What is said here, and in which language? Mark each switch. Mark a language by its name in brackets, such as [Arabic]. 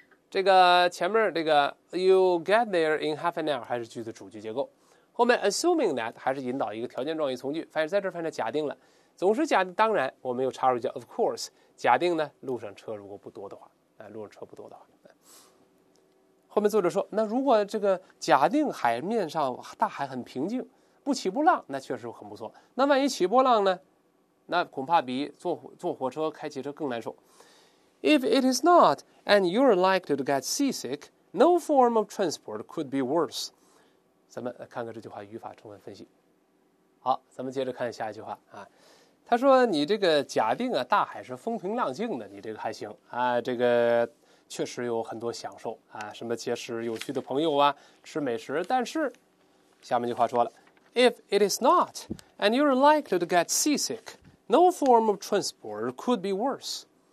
[Chinese] 这个前面这个 [English] you get there in half an hour [Chinese] 还是句子主句结构，后面 [English] assuming that [Chinese] 还是引导一个条件状语从句，反正在这儿反正假定了，总是假定，当然我们又插入一句 [English] of course， [Chinese] 假定呢路上车如果不多的话，路上车不多的话。后面作者说，那如果这个假定海面上大海很平静不起波浪，那确实很不错，那万一起波浪呢，那恐怕比 坐火车开汽车更难受。 [English] If it is not and you're likely to get seasick, no form of transport could be worse. [Chinese] 咱们看看这句话语法充分分析。好，咱们接着看下一句话啊。他说你这个假定啊，大海是风平浪静的，你这个还行啊，这个确实有很多享受啊，什么结识有趣的朋友啊，吃美食，但是下面句话说了， [English] If it is not and you're likely to get seasick, no form of transport could be worse.